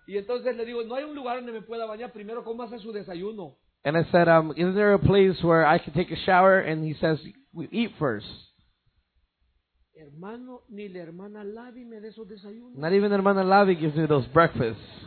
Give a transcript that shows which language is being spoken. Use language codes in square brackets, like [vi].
[es] Y entonces le digo, no hay un lugar donde me pueda bañar. Primero, ¿cómo hace su desayuno? [en] And I said, isn't there a place where I can take a shower? And he says, we eat first. [es] Hermano, ni la hermana Lavi me de esos desayunos. [en] Not even hermana Lavi gives me those breakfasts.